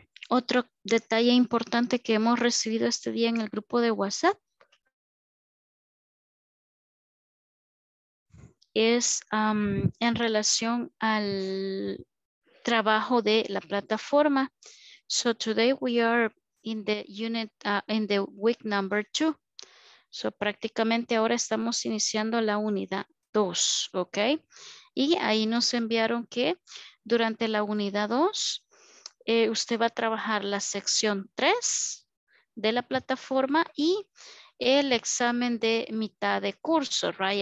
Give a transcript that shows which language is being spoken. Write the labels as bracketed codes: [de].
[es] Otro detalle importante que hemos recibido este día en el grupo de WhatsApp es en relación al trabajo de la plataforma. [en] So today we are in the unit, in the week number 2. [es] So prácticamente ahora estamos iniciando la unidad 2, ¿ok? Y ahí nos enviaron que durante la unidad 2 usted va a trabajar la sección 3 de la plataforma y el examen de mitad de curso, right?